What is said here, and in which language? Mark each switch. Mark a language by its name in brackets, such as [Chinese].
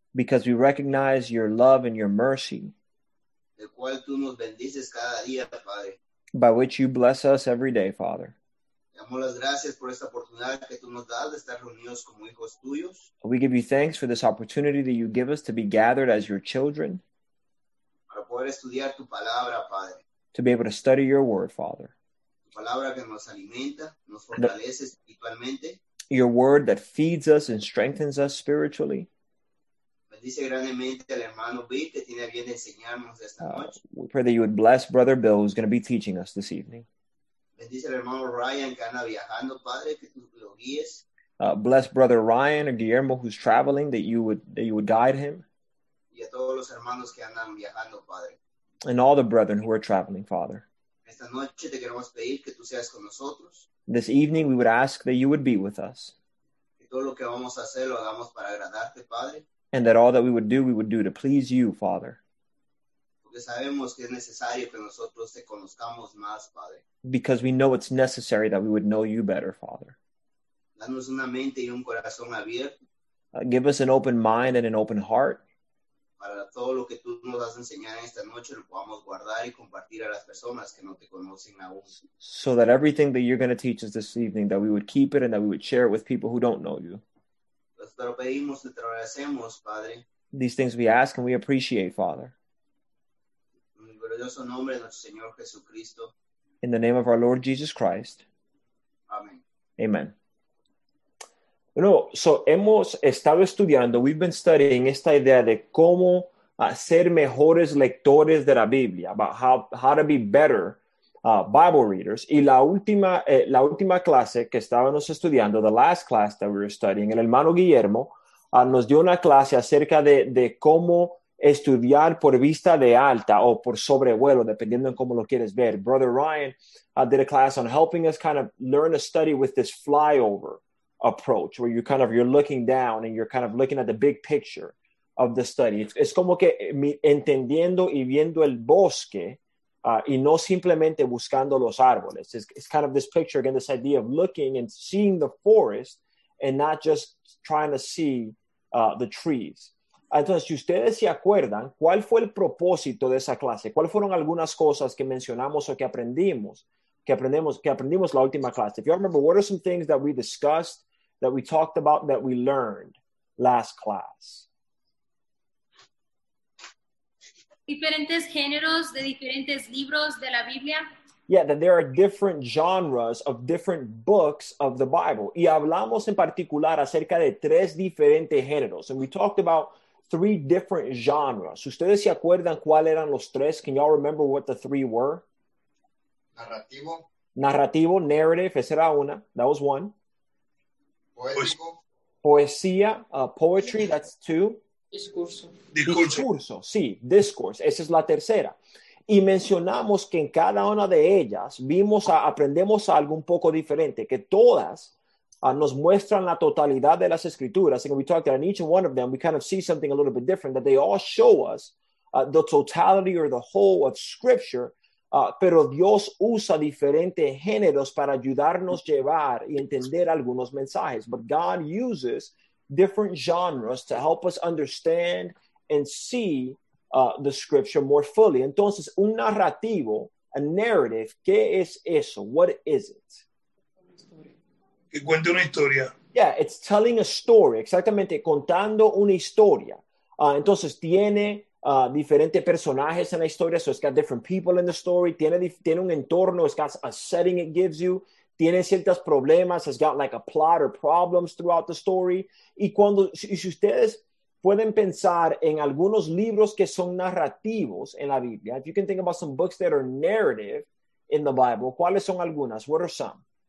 [English] Because we recognize your love and your mercy. [Spanish] Del cual tú nos bendices cada día, Padre. [English] By which you bless us every day, Father. [Spanish] Damos las gracias por esta oportunidad que tú nos das de estar reunidos como hijos tuyos. [English] We give you thanks for this opportunity that you give us to be gathered as your children. [Spanish] Para poder estudiar tu palabra, Padre. [English] To be able to study your word, Father. [Spanish] Tu palabra que nos alimenta, nos fortalece espiritualmente. [English] Your word that feeds us and strengthens us spiritually. [Spanish] Bendice grandemente al hermano Bill que tiene a bien enseñarnos esta noche. [English] We pray that you would bless Brother Bill who's going to be teaching us this evening. [Spanish] Bendice al hermano Ryan que anda viajando, Padre, que tú lo guíes. [English] Bless Brother Ryan or Guillermo who's traveling, that you would guide him. [Spanish] Y a todos los hermanos que andan viajando, Padre. [English] And all the brethren who are traveling, Father. [Spanish] Esta noche te queremos pedir que tú seas con nosotros. [English] This evening we would ask that you would be with us. [Spanish] Que todo lo que vamos a hacer lo hagamos para agradarte, Padre. [English] And that all that we would do to please you, Father. [Spanish] Porque sabemos que es necesario que nosotros te conozcamos más, Padre. [English] Because we know it's necessary that we would know you better, Father. [Spanish] Danos una mente y un corazón abierto. [English] Give us an open mind and an open heart. [Spanish] Para todo lo que tú nos vas a enseñar esta noche lo podamos guardar y compartir a las personas que no te conocen aún. [English] So that everything that you're going to teach us this evening, that we would keep it and that we would share it with people who don't know you. [Spanish] Te lo pedimos, te lo agradecemos, Padre. [English] These things we ask and we appreciate, Father. [Spanish] En el glorioso nombre de nuestro Señor Jesucristo. [English] In the name of our Lord Jesus Christ. Amen. [Spanish] Amen. Bueno, so hemos estado estudiando, [English] we've been studying [Spanish] esta idea de cómo ser mejores lectores de la Biblia, [English] about how to be better Bible readers. [Spanish] Y la última clase que estábamos estudiando, [English] the last class that we were studying, [Spanish] el hermano Guillermo nos dio una clase acerca de cómo estudiar por vista de alta o por sobrevuelo, dependiendo en cómo lo quieres ver. [English] Brother Ryan did a class on helping us kind of learn to study with this flyover approach, where you're looking down and you're kind of looking at the big picture of the study. [Spanish] It's como que entendiendo y viendo el bosque y no simplemente buscando los árboles. [English] It's kind of this picture, again, this idea of looking and seeing the forest and not just trying to see the trees. [Spanish] Entonces, si ustedes se acuerdan, ¿cuál fue el propósito de esa clase? ¿Cuáles fueron algunas cosas que mencionamos o que aprendimos? Que aprendimos la última clase. [English] If you remember, what are some things that we discussed, that we talked about, that we learned last class? [Spanish] Diferentes géneros de diferentes libros de la Biblia. [English] Yeah, that there are different genres of different books of the Bible. [Spanish] Y hablamos en particular acerca de tres diferentes géneros. [English] And we talked about three different genres. [Spanish] ¿Ustedes se acuerdan cuáles eran los tres? [English] Can y'all remember what the three were? [Spanish] Narrativo, [English] narrative, [Spanish] esa era una, [English] that was one. [Spanish] Poético. [English] Poesía, poetry, that's two. [Spanish] Discurso, sí, discourse, esa es la tercera. Y mencionamos que en cada una de ellas aprendemos algo un poco diferente, que todas nos muestran la totalidad de las escrituras. [English] And we talked that in each one of them, we kind of see something a little bit different, that they all show us the totality or the whole of scripture. [Spanish] Pero Dios usa diferentes géneros para ayudarnos llevar y entender algunos mensajes. [English] But God uses different genres to help us understand and see the scripture more fully. [Spanish] Entonces, un narrativo, [English] a narrative, [Spanish] ¿qué es eso? [English] What is it? [Spanish] Que cuente una historia. [English] Yeah, it's telling a story. [Spanish] Exactamente, contando una historia. Entonces, tiene diferentes personajes en la historia, [English] so it's got different people in the story, [Spanish] tiene un entorno, [English] it's got a setting it gives you, [Spanish] tiene ciertos problemas, [English] it's got like a plot or problems throughout the story, [Spanish] y cuando, si ustedes pueden pensar en algunos libros que son narrativos en la Biblia, [English] if you can think about some books that are narrative in the Bible, [Spanish] ¿cuáles son algunas? [English] What are some?